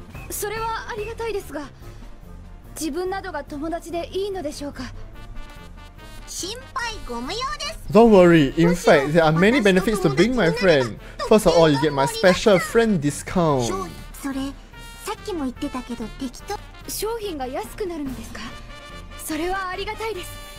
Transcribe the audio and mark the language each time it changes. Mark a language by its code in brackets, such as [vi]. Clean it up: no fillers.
[ja] それはありがたいですが、自分などが友達でいいのでしょうか。心配ご無用です。 [en] Don't worry. In fact, there are many benefits to being my friend. First of all, you get my special friend discount. [ja] それ、さっきも言ってたけど、適当。商品が安くなるのですか。それはありがたいです。